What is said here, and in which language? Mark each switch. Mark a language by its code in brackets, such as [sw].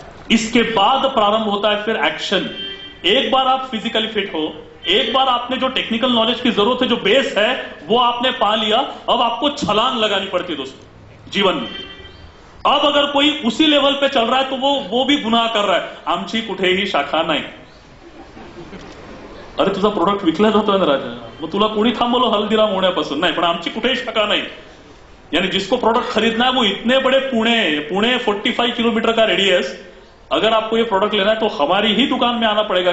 [hi] इसके बाद प्रारंभ होता है फिर एक्शन। एक बार आप फिजिकली फिट हो, एक बार आपने जो टेक्निकल नॉलेज की जरूरत है, जो बेस है वो आपने पा लिया, अब आपको छलांग लगानी पड़ती है दोस्तों जीवन में। अब अगर कोई उसी लेवल पे चल रहा है तो वो भी गुनाह कर रहा है। [mr] आमची कुठे ही शाखा नाही। अरे तुझा प्रोडक्ट विकला जातो ना राजा, मग तुला कोणी थांबवलं हल्दीराम होण्यापासून? नाही, पण आमची कुठेही शाखा नाही। [hi] यानी जिसको प्रोडक्ट खरीदना है वो इतने बड़े पुणे 45 किलोमीटर का रेडियस, अगर आपको ये प्रोडक्ट लेना है तो हमारी ही दुकान में आना पड़ेगा।